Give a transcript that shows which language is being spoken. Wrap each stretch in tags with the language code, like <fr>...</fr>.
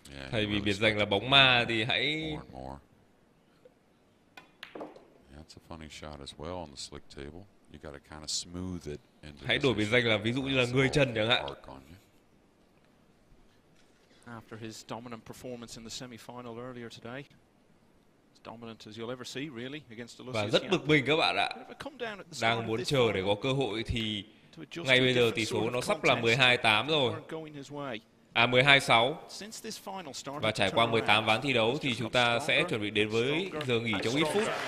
<vi>Thay vì biệt danh là bóng ma thì hãy...</vi> <en>That's a funny shot as well on the slick table. You gotta kind of smooth it into</en> <vi>hãy đổi biệt danh là ví dụ như là người chân chẳng hạn.</vi> <en>after his dominant performance in the semi-final earlier today. As dominant as you'll ever see, really, against Aloysius.</en> <vi>Và rất bực mình các bạn ạ. Đang muốn chờ để có cơ hội thì ngay bây giờ tỷ số nó sắp là 12-8 rồi. À 12-6. Và trải qua 18 ván thi đấu thì chúng ta sẽ chuẩn bị đến với giờ nghỉ trong ít phút.</vi>